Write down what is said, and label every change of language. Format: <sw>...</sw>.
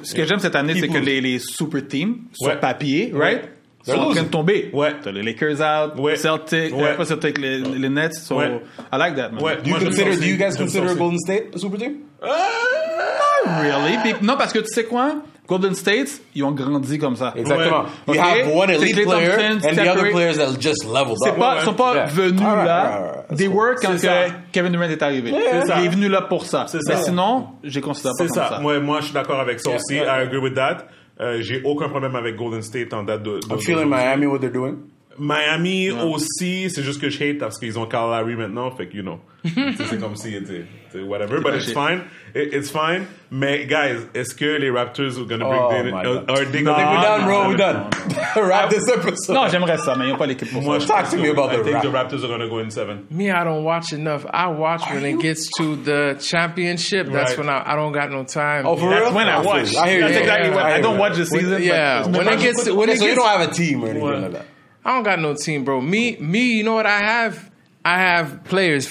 <fr>Ce que j'aime cette année, c'est que les super teams, sur papier, right? Ils sont en train de tomber. Ouais. T'as les Lakers out, Celtic, pas Celtic, les Nets.</fr> <en>So I like that, man.</en> <fr>Ouais.</fr> <en>Do you guys consider Golden State a super team? Not really.</en> <fr>Non, parce que tu sais quoi? Golden State, ils ont grandi comme ça. Exactement.</fr> <en>You have one elite player and the other players that just leveled up.</en> <fr>Ils sont pas venus là.</fr> <en>They were</en> <fr>quand Kevin Durant est arrivé. Il est venu là pour ça. Mais sinon, je ne considère pas comme ça. C'est ça. Moi, je suis d'accord avec ça aussi.</fr> <en>I agree with that.</en> <fr>J'ai aucun problème avec Golden State en date de</fr> <en>I'm feeling Miami, what they're doing.</en> <fr>Miami aussi, c'est juste que je hate parce qu'ils ont Kyle Lowry maintenant, fait que, you know, c'est comme si c'était whatever,</fr> <en>but it's fine. It's fine.</en> <fr>Mais, guys, est-ce que les Raptors</fr> <en>are going to bring David? We're done, bro, we're done. Wrap this episode.</en> <fr>Non, j'aimerais ça, mais ils ont pas l'équipe pour ça.</fr> <en>Talk to me about the Raptors are going to go in 7. Me, I don't watch enough. I watch when it gets to the championship. That's when I don't got no time. Oh, for real? That's when I watch. I hear you. That's exactly when I don't watch the season. Yeah, when it gets to... So you don't have a team or anything like that? I don't got no team, bro. Me, you know what I have? I have players.</en>